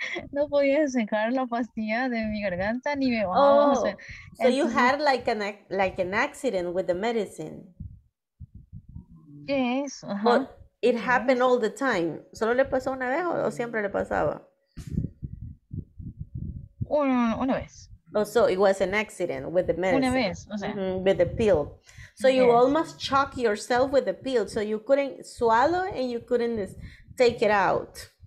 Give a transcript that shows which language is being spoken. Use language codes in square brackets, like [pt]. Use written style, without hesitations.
[es] No podía sacar la pastilla de mi garganta ni me bajaba. Oh, o sea, [en] so you had like an accident with the medicine. Yes. Uh-huh. But it happened all the time. [es] ¿Solo le pasó una vez o siempre le pasaba? Una vez. [en] Oh, so it was an accident with the medicine. [es] Una vez, o sea. [en] Mm-hmm, with the pill. So you almost choke yourself with the pill. So you couldn't swallow and you couldn't take it out.